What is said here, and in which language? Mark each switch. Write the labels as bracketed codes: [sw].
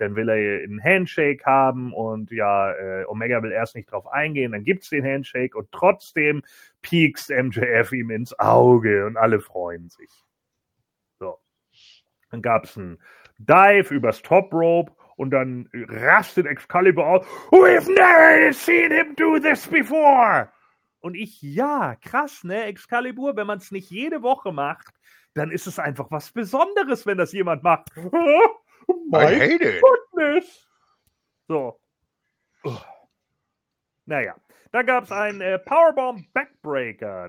[de] Dann will er einen Handshake haben und ja, Omega will erst nicht drauf eingehen. Dann gibt es den Handshake und trotzdem piekst MJF ihm ins Auge und alle freuen sich. Dann gab es einen Dive übers Top Rope Und dann rastet Excalibur aus. [en] We've never seen him do this before. [de] Und ich, ja, krass, ne? Excalibur, wenn man es nicht jede Woche macht, dann ist es einfach was Besonderes, wenn das jemand macht. [en] I My hate it. goodness. So. Ugh. [de] Naja, da gab es einen Powerbomb Backbreaker.